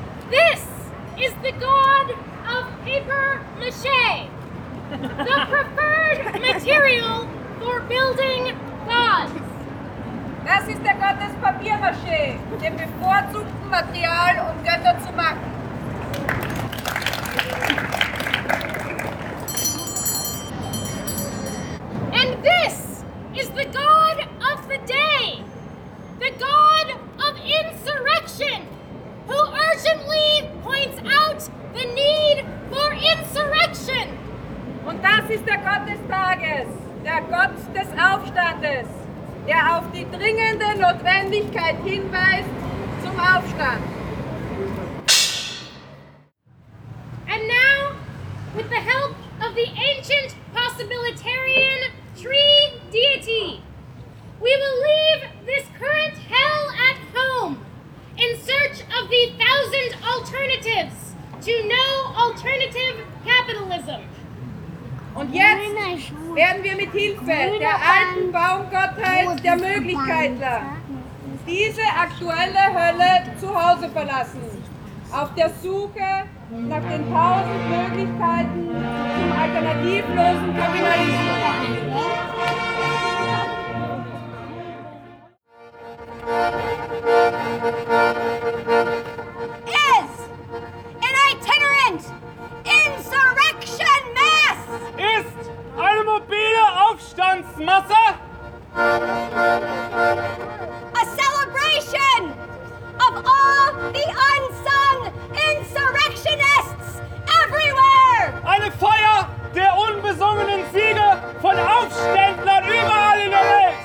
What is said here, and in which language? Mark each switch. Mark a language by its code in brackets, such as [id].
[en] This is the god of paper mache, the preferred material for building gods. [de] Das ist der Gott des Papiermache, dem bevorzugten Material, um Götter zu machen. [en] And this is the god of the day, the god of insurrection, who urgently points out the need for insurrection. [de] Und das ist der Gott des Tages, der Gott des Aufstandes, der auf die dringende Notwendigkeit hinweist zum Aufstand. [en] And now, with the help of the ancient possibilitarian tree deity, we will leave this current hell at home in search of the thousand alternatives to no alternative capitalism. [de] Und jetzt werden wir mit Hilfe der alten Baumgottheit der Möglichkeiten diese aktuelle Hölle zu Hause verlassen, auf der Suche nach den tausend Möglichkeiten zum alternativlosen Kapitalismus. [en] Is an itinerant insurrection mass. [de] Ist eine mobile Aufstandsmasse. [en] A celebration of all the unsung insurrectionists everywhere. [de] Eine Feier der unbesungenen Siege von Aufständlern überall in der Welt.